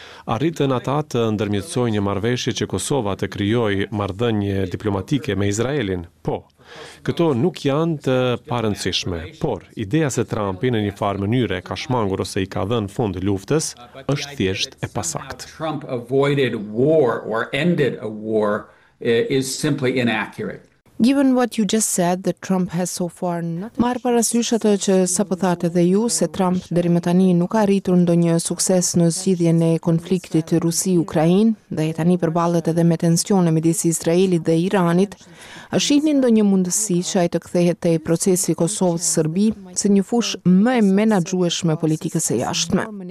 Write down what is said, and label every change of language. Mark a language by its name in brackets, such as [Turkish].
[Albanian] Arritën ata të ndërmjetësojnë një marrëveshje që Kosova të krijojë marrëdhënie diplomatike me Izraelin? Po. Këto nuk janë të parëndësishme, por ideja se Trumpi në një farë mënyre ka shmangur ose i ka dhënë fund luftës është thjesht e pasaktë. [English] Trump avoided war or ended a war is simply inaccurate. Given what you just said, that Trump has so far not... [Albanian] Marë parasysh atë që sapo thatë edhe ju, se Trump deri më tani nuk ka arritur ndonjë sukses në zgjidhjen e konfliktit Rusi-Ukrainë dhe tani përballet edhe me tensione midis Izraelit dhe Iranit, a shihni ndonjë mundësi që ai të kthehet te procesi Kosovë-Serbi si një fush më e menaxhueshme politikës së jashtme?